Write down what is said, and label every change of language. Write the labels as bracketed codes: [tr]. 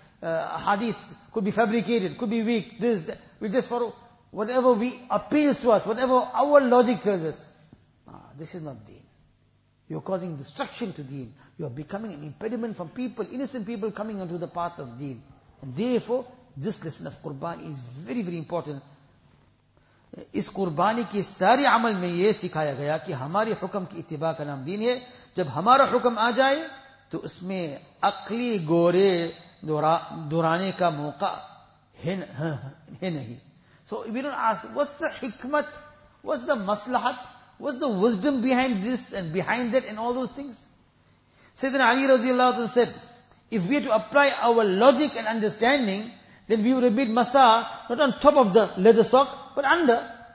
[en] Hadith could be fabricated, could be weak. This, that. We just follow whatever we appeals to us, whatever our logic tells us. Ah, this is not deen. You're causing destruction to deen. You're becoming an impediment from people, innocent people coming onto the path of deen. And therefore, this lesson of Qurban is very, very important. [ur] اس قربانی کے سارے عمل میں یہ سکھایا گیا کہ ہماری حکم کی اتباع کا نام دین ہے. جب ہمارا حکم آ جائے تو اس میں عقلی گورے دورانے کا موقع ہے نہیں. [en] So we don't ask what's the حکمت, what's the مصلحت, what's the wisdom behind this and behind that and all those things. سیدنا علی رضی اللہ عنہ said, if we were to apply our logic and understanding, then we would have made masa not on top of the leather sock, but under.